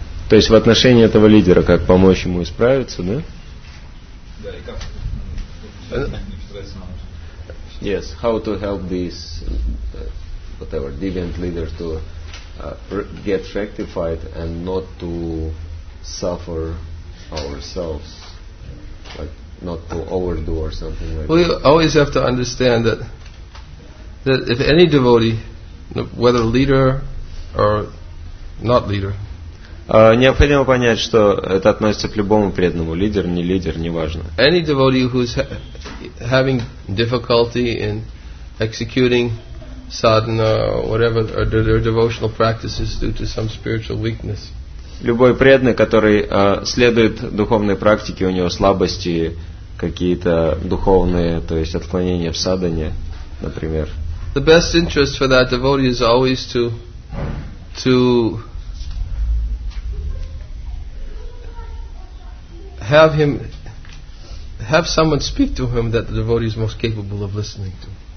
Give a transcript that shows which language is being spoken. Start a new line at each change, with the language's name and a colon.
Russian: То есть в отношении этого лидера, как помочь ему исправиться, да? Да, и как?
English: Yes, how to help this whatever deviant leader to get rectified and not to suffer ourselves, like not to overdo or something like that. We always have to understand that if any devotee, whether leader or not leader,
Russian: Необходимо понять, что это относится к любому преданному, лидер, не лидер, неважно.
English: Any devotee who is having difficulty in executing sadhana or whatever or their devotional practices due to some spiritual weakness.
Russian: Любой преданный, который следует духовной практике, у него слабости какие-то духовные, то есть отклонения в садхане, например.
English: The best interest for that devotee is always to have him, have someone speak to him that the devotee is most capable of listening to.